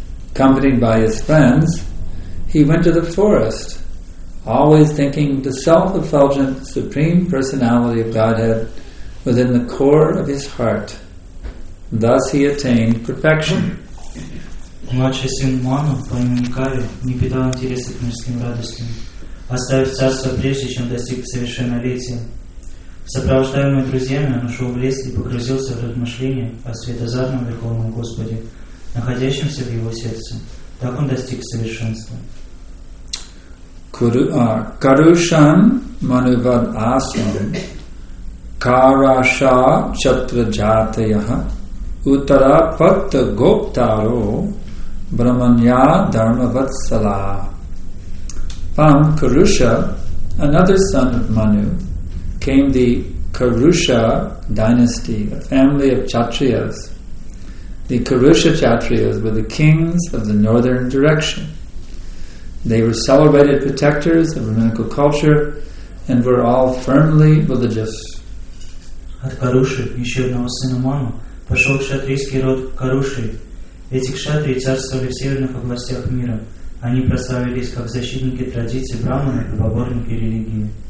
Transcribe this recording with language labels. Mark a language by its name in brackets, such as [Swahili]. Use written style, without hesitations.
[English] Accompanied by his friends, he went to the forest, always thinking the self-effulgent Supreme Personality of Godhead within the core of his heart. Thus he attained perfection. [Russian] Младший сын Ману по имени Кави не питал интереса к мирским радостям, оставив царство прежде, чем достиг совершеннолетия. Сопровождаемый друзьями, он ушел в лес и погрузился в размышления о светозарном Верховном Господе, находящемся в его сердце. Так он достиг совершенства. [Sanskrit] Karushan Manuvad Asam Karasha Chatra Jatayaha Uttara Patta Goptaro Brahmanya Dharma Vatsala. [English] From Karusha, another son of Manu, came the Karusha dynasty, a family of Kshatriyas. The Karusha Kshatriyas were the kings of the northern direction. They were celebrated protectors of Brahminical culture and were all firmly religious. [Russian] От Каруши, еще одного сына Ману, пошел кшатрийский род Каруши. Эти кшатрии царствовали в северных областях мира. Они прославились как защитники традиций брахмана и поборники религии.